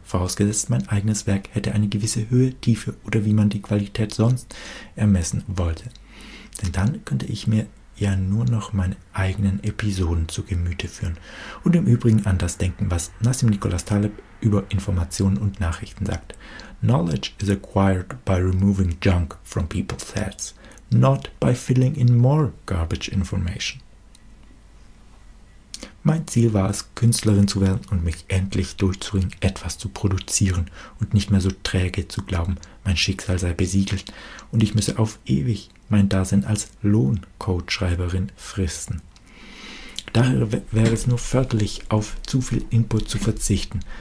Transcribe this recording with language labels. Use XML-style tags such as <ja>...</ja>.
<de>Vorausgesetzt, mein eigenes Werk hätte eine gewisse Höhe, Tiefe oder wie man die Qualität sonst ermessen wollte. Denn dann könnte ich mir ja nur noch meine eigenen Episoden zu Gemüte führen. Und im Übrigen an das denken, was Nassim Nicholas Taleb über Informationen und Nachrichten sagt.</de> <en>Knowledge is acquired by removing junk from people's heads, not by filling in more garbage information.</en> <de>Mein Ziel war es, Künstlerin zu werden und mich endlich durchzuringen, etwas zu produzieren und nicht mehr so träge zu glauben, mein Schicksal sei besiegelt und ich müsse auf ewig mein Dasein als Lohncode-Schreiberin fristen. Daher wäre es nur förderlich, auf zu viel Input zu verzichten.</de>